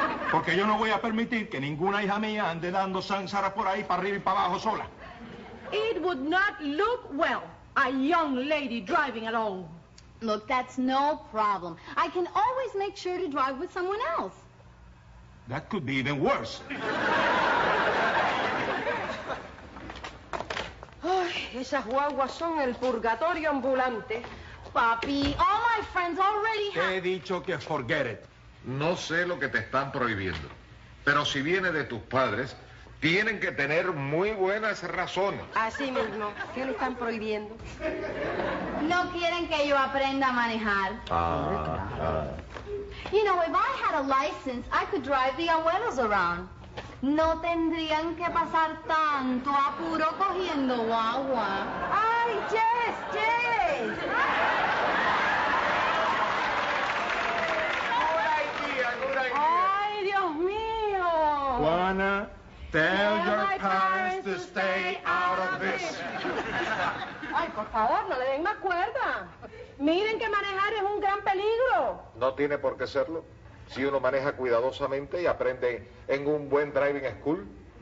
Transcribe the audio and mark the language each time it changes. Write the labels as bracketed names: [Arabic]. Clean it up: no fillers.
[Spanish] Porque yo no voy a permitir que ninguna hija mía ande dando zanzara por ahí para arriba y para abajo sola. [English] It would not look well, a young lady driving alone. Look, that's no problem. I can always make sure to drive with someone else. That could be even worse. [Spanish] Ay, esas guaguas son el purgatorio ambulante. [English] Papi, all my friends already have... [Spanish] Te he dicho que [English] forget it. [Spanish] No sé lo que te están prohibiendo, pero si viene de tus padres, tienen que tener muy buenas razones. Así mismo. ¿Qué le están prohibiendo? No quieren que yo aprenda a manejar. Ah. [English] You know, if I had a license, I could drive the abuelos around. [Spanish] No tendrían que pasar tanto apuro cogiendo guagua. [English] Ay, yes, yes. Good idea, good idea. [Spanish] Ay, Dios mío. Juana. [English] Tell your parents to stay out of this. [Spanish] Ay, por favor, no le den más cuerda. Miren que manejar es un gran peligro. No tiene por qué serlo. Si uno maneja cuidadosamente y aprende en un buen [English] driving school.